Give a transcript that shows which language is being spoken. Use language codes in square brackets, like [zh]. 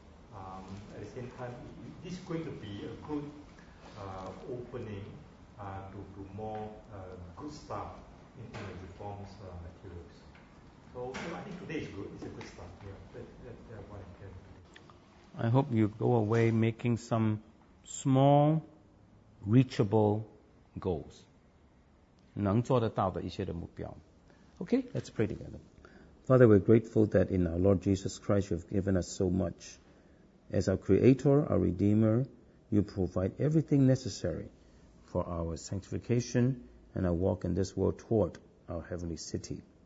[en] At the same time, this is going to be a good opening to more good stuff in the reforms materials. So I think today is good. It's a good start. Yeah, that's what I can do. I hope you go away making some small, reachable goals. [zh] 能做得到的一些的目标. [en] Okay, let's pray together. Father, we're grateful that in our Lord Jesus Christ you've given us so much. As our Creator, our Redeemer, you provide everything necessary for our sanctification and our walk in this world toward our heavenly city.